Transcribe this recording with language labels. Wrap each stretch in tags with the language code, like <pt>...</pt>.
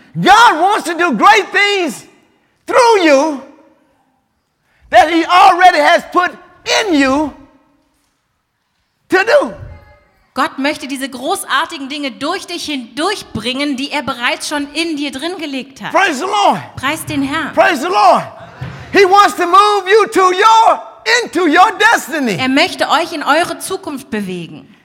<en>God wants to do great things through you that he already has put in you to do.</en> <de>Gott möchte diese großartigen Dinge durch dich hindurchbringen, die er bereits schon in dir drin gelegt hat.</de> <en>Praise the Lord.</en> <de>Preis den Herrn.</de> <en>Praise the Lord. He wants to move you to your into your destiny.</en> <de>Er möchte euch in eure Zukunft bewegen.</de>